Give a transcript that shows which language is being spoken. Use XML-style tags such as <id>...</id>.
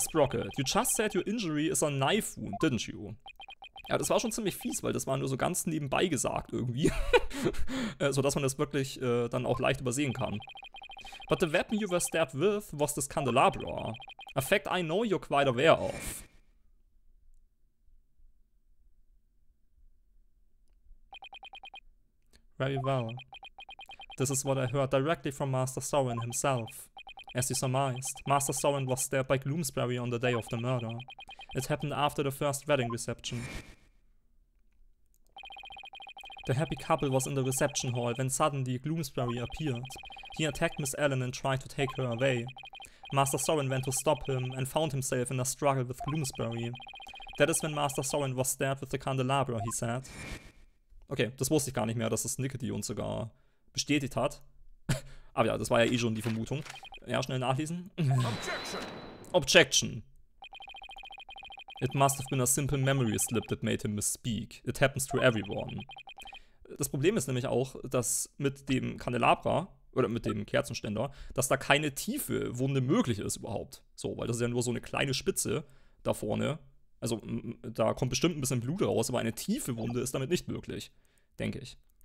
<en>Sprocket, you just said your injury is a knife wound, didn't you?</en> <de>Ja, das war schon ziemlich fies, weil das war nur so ganz nebenbei gesagt irgendwie. Sodass man das wirklich dann auch leicht übersehen kann.</de> <en>But the weapon you were stabbed with was this candelabra. A fact I know you're quite aware of. Very well. This is what I heard directly from Master Soren himself. As you surmised, Master Soren was stabbed by Gloomsbury on the day of the murder. It happened after the first wedding reception. The happy couple was in the reception hall when suddenly Gloomsbury appeared. He attacked Miss Ellen and tried to take her away. Master Soren went to stop him and found himself in a struggle with Gloomsbury. That is when Master Soren was stabbed with the candelabra, he said.</en> <de>Okay, das wusste ich gar nicht mehr, dass das Nickety uns sogar bestätigt hat. Aber ja, das war ja eh schon die Vermutung. Ja, schnell nachlesen.</de> <en>Objection! Objection! It must have been a simple memory slip that made him misspeak. It happens to everyone.</en> <de>Das Problem ist nämlich auch, dass mit dem Candelabra, oder mit dem Kerzenständer, dass da keine tiefe Wunde möglich ist überhaupt. So, weil das ist ja nur so eine kleine Spitze da vorne. Also, da kommt bestimmt ein bisschen Blut raus, aber eine tiefe Wunde ist damit nicht möglich, denke ich.</de>